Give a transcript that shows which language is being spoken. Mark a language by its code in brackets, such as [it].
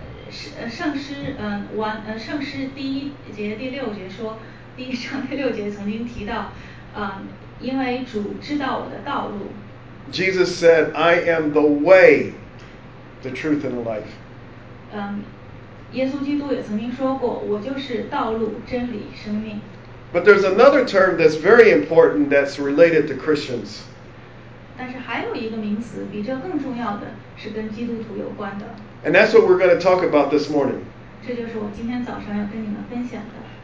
[zh] 圣诗第一节第六节说，第一章第六节曾经提到，因为主知道我的道路。 [en] Jesus said, "I am the way." The truth and the life. [zh] 耶稣基督也曾经说过，我就是道路、真理、生命。 [en] But there's another term that's very important that's related to Christians. [zh] 但是还有一个名词比这更重要的是跟基督徒有关的。 [en] And that's what we're going to talk about this morning. [zh] 这就是我今天早上要跟你们分享的。